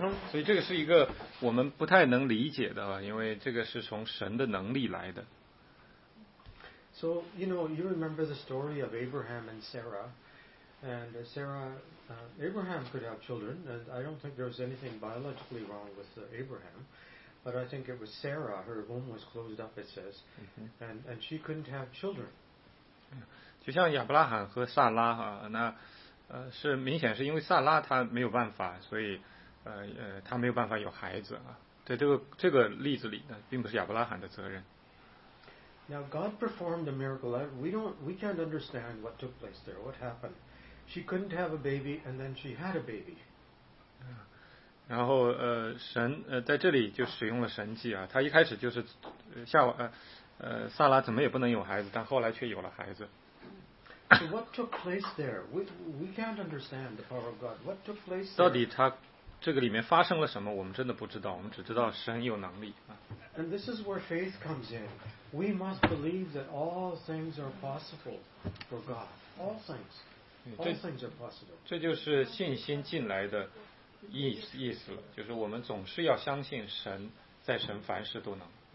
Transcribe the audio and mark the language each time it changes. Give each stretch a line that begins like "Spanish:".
Chinese: 所以这个是一个我们不太能理解的，因为这个是从神的能力来的。
English: So you know, you remember the story of Abraham and Sarah, and Sarah, Abraham could have children, and I don't think there was anything biologically wrong with Abraham, but I think it was Sarah, her womb was closed up, it says, and she couldn't have children.
Chinese: 就像亚伯拉罕和撒拉哈那。是明显是因为萨拉他没有办法，所以他没有办法有孩子啊。在这个例子里呢，并不是亚伯拉罕的责任。
English: Now God performed a miracle. We can't understand what took place there. What happened? She couldn't have a baby, and then she had a baby.
Chinese: 然后神在这里就使用了神迹啊。他一开始就是萨拉怎么也不能有孩子，但后来却有了孩子。
English: So what took place there? We can't understand the power of God. What took place
Chinese: there? 到底他这个里面发生了什么？我们真的不知道。我们只知道神有能力啊。
English: And this is where faith comes in. We must believe that all things are possible for God. All things. All things are possible.
Chinese: 这就是信心进来的意思了，就是我们总是要相信神，在神凡事都能。